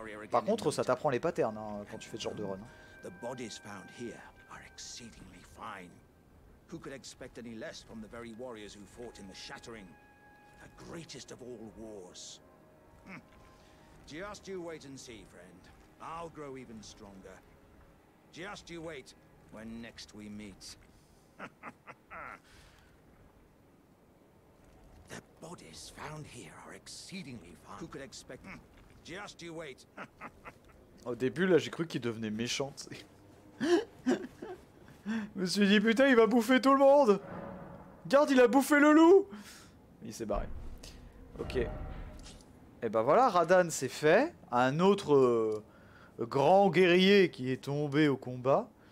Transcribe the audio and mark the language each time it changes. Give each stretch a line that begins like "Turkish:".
French: Par contre, ça t'apprend les patterns hein, quand tu fais ce genre de run.
English: Les bodies found here are exceedingly fine. Who could expect any less from the very warriors who fought in the Shattering, the greatest of all wars? Just you wait and see, friend. I'll grow even stronger. Just you wait when next we meet. The bodies found here are exceedingly fine. Who could expect? Just you wait.
French: Au début, là, j'ai cru qu'il devenait méchant. Je me suis dit, putain, il va bouffer tout le monde. Garde, il a bouffé le loup. Il s'est barré. Ok. Et ben voilà, Radahn, c'est fait. Un autre grand guerrier qui est tombé au combat.